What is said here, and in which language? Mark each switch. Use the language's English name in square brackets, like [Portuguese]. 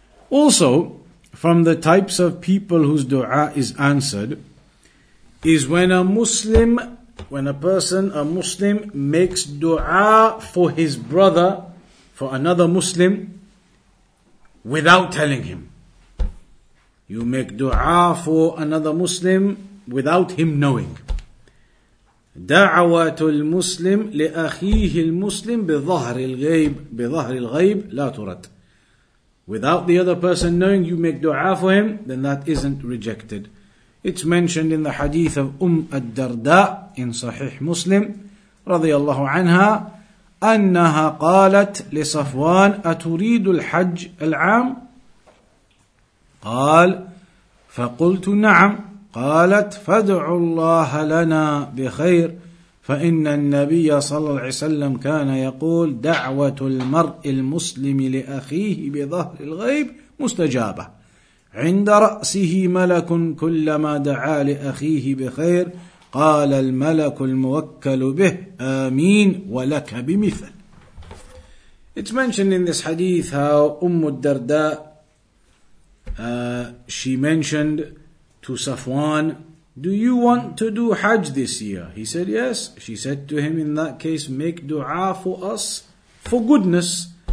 [English] Also, from the types of people whose du'a is answered, is when a Muslim, when a person, a Muslim, makes dua for his brother, for another Muslim, without telling him. You make dua for another Muslim without him knowing. [Arabic] دعوة المسلم لأخيه المسلم بظهر الغيب, بظهر الغيب لا ترد. [English] Without the other person knowing, you make dua for him, then that isn't rejected. It's mentioned in the hadith of Ad-Darda in Sahih Muslim, [Arabic] رضي الله عنها, أنها قالت لصفوان أتريد الحج العام؟ قال فقلت نعم. قالت فادعوا الله لنا بخير فإن النبي صلى الله عليه وسلم كان يقول دعوة المرء المسلم لأخيه بظهر الغيب مستجابة. عند رأسه ملك كلما دعا لأخيه بخير قال الملك الموكل به آمين ولك بمثل. [English] It's mentioned in this hadith how Ad-Darda, she mentioned to Safwan, do you want to do Hajj this year? He said yes. She said to him, in that case, make dua for us for goodness.